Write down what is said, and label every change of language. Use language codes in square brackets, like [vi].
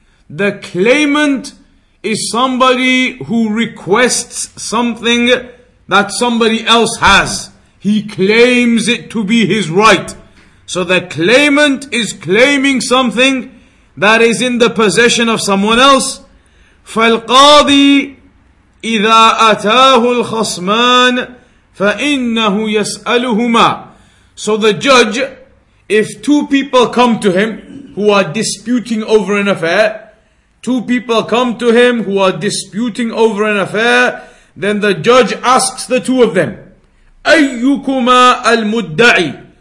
[en] The claimant is somebody who requests something that somebody else has. He claims it to be his right. So the claimant is claiming something that is in the possession of someone else. [ar] فالقاضي إذا أتاه الخصمان فإنه يسألهما. [en] So the judge, if two people come to him who are disputing over an affair, then the judge asks the two of them, [ar] أيكما المدعي.